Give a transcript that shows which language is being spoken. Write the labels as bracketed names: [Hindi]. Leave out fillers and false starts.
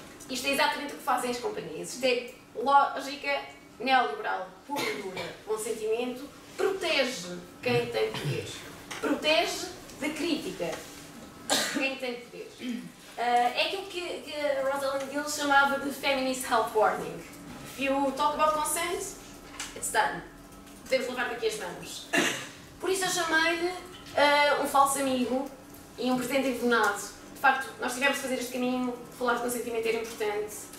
[Portuguese] Isto é exatamente o que fazem as companhias. Isto é lógica neoliberal, pura e dura. Consentimento protege quem tem poder. Protege da crítica quem tem poder. É aquilo que a Rosalind Gill chamava de [English] feminist health warning. If you talk about consent, it's done. [Portuguese] Podemos levar daqui as mãos. Por isso eu chamei-lhe um falso amigo e um pretendente envenenado. De facto, nós tivemos de fazer este caminho, falar de consentimento era importante.